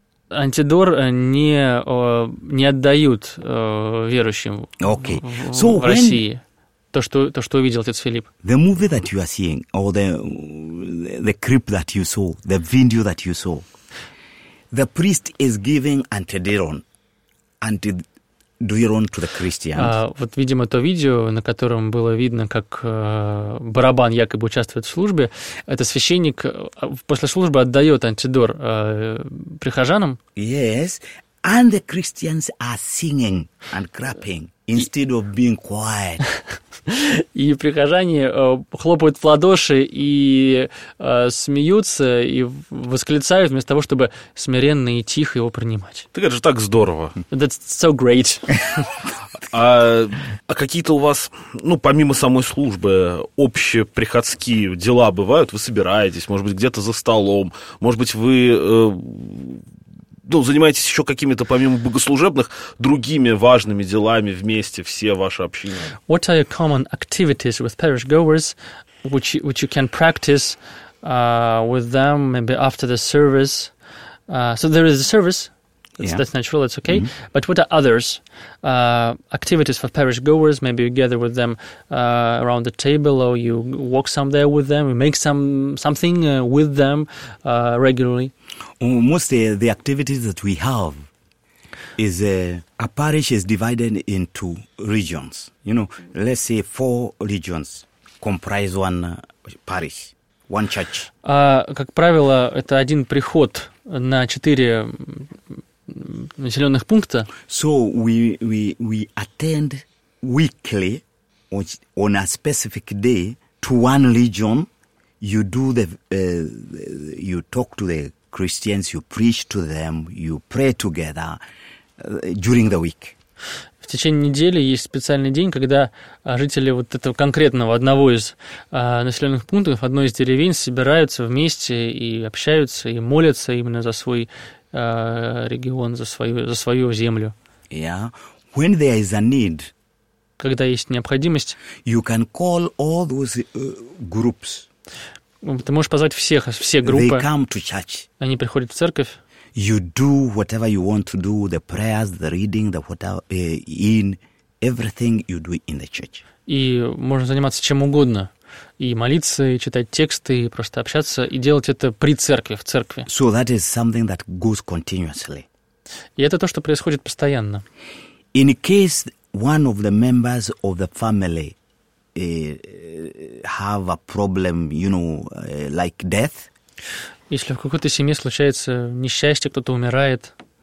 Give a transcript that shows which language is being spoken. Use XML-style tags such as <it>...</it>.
<ru>Антидор не отдают верующим</ru> <en>okay.</en> <ru>So в России то, что увидел отец Филипп.</ru> <en>The movie that you are seeing, or the clip that you saw, the video that you saw, the priest is giving antidiron to the Christians.</en> <ru>Вот, видимо, то видео, на котором было видно, как барабан якобы участвует в службе, это священник после службы отдает антидор прихожанам.</ru> <en>Yes, and the Christians are singing and clapping instead of being quiet.</en> <ru>И прихожане хлопают в ладоши и смеются, и восклицают вместо того, чтобы смиренно и тихо его принимать. Так это же так здорово.</ru> <en>That's so great.</en> <ru>А какие-то у вас, ну, помимо самой службы, общеприходские дела бывают? Вы собираетесь, может быть, где-то за столом, может быть, вы... Ну, занимаетесь еще какими-то, помимо богослужебных, другими важными делами вместе, все ваши общины.</ru> <en>What are your common activities with parish goers, which you can practice with them, maybe after the service? So there is a service, that's natural, it's okay. Mm-hmm. But what are others? Activities for parish goers, maybe you gather with them around the table, or you walk some there with them, you make something with them regularly. Mostly the activities that we have is a parish is divided into regions. You know, let's say 4 regions comprise one parish, one church.</en> <ru>Как правило, это один приход на 4 населенных пункта.</ru> <en>So we attend weekly on a specific day to one region. You do the you talk to the Christians, you preach to them, you pray together during the week.</en> <ru>В течение недели есть специальный день, когда жители вот этого конкретного одного из населенных пунктов, одной из деревень, собираются вместе и общаются и молятся именно за свой регион, за свою землю.</ru> <en>Yeah, when there is a need,</en> <ru>когда есть необходимость,</ru> <en>you can call all those groups.</en> <ru>Ты можешь позвать все группы.</ru> <en>They come to church.</en> <ru>Они приходят в церковь.</ru> <en>You do whatever you want to do, the prayers, the reading, the whatever, in everything you do in the church.</en> <ru>И можно заниматься чем угодно. И молиться, и читать тексты, и просто общаться, и делать это при церкви, в церкви.</ru> <en>So that is something that goes continuously.</en> <ru>И это то, что происходит постоянно.</ru> <en>In case one of the members of the family have a problem, you know, like death.</en> <ru>Если в какой-то семье случается несчастье, кто-то умирает.</ru>